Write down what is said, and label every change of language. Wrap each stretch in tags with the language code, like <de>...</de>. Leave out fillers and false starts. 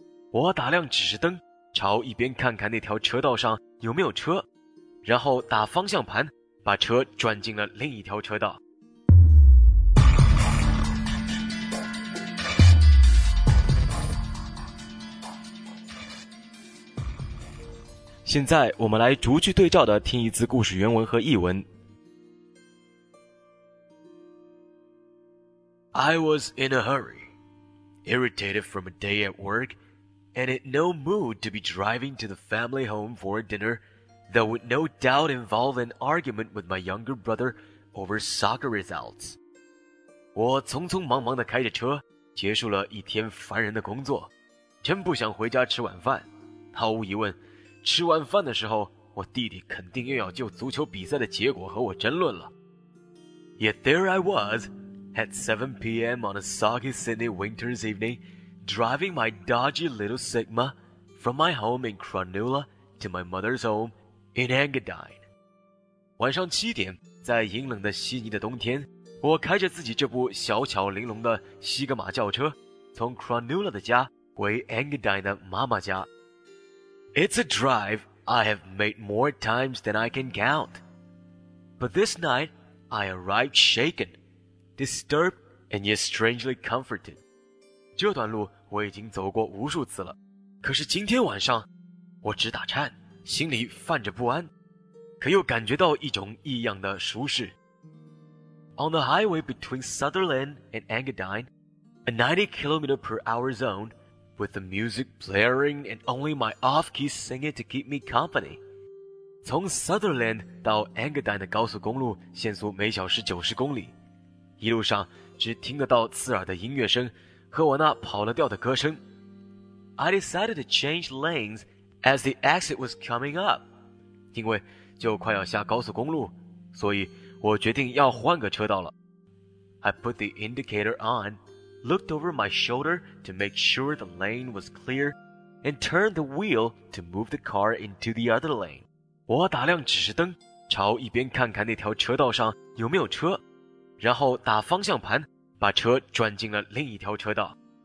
<zh>我打亮指示灯，朝一边看看那条车道上有没有车，然后打方向盘，把车转进了另一条车道。现在我们来逐句对照的听一次故事原文和译文。</zh> <en>I was in a hurry, irritated from a day at work, and in no mood to be driving to the family home for a dinner that would no doubt involve an argument with my younger brother over soccer results.</en> <zh>我匆匆忙忙地开着车，结束了一天烦人的工作，真不想回家吃晚饭。毫无疑问，吃完饭的时候，我弟弟肯定又要就足球比赛的结果和我争论了。</zh> <en>Yet there I was, at 7 p.m. on a soggy Sydney winter's evening, driving my dodgy little Sigma from my home in Cronulla to my mother's home in Engadine.</en> <zh>晚上七点，在阴冷的悉尼的冬天，我开着自己这部小巧玲珑的西格玛轿车，从 Cronulla 的家回 Engadine 的妈妈家。</zh> <en>It's a drive I have made more times than I can count. But this night, I arrived shaken, disturbed, and yet strangely comforted.</en> <zh>这段路我已经走过无数次了，可是今天晚上，我直打颤，心里泛着不安，可又感觉到一种异样的舒适。</zh> <en>On the highway between Sutherland and Engadine, a 90 km/h zone,With the music blaring and only my off-key singer to keep me company.</en> <zh>从 Sutherland 到 Engadine 的高速公路限速每小时90公里，一路上只听得到刺耳的音乐声和我那跑了调的歌声。</zh> <en>I decided to change lanes as the exit was coming up.</en> <zh>因为就快要下高速公路，所以我决定要换个车道了。</zh> <en>I put the indicator on.Looked over my shoulder to make sure the lane was clear and turned the wheel to move the car into the other lane.</en> <zh>我打亮指示灯，朝一边看看那条车道上有没有车，然后打方向盘，把车转进了另一条车道。</zh>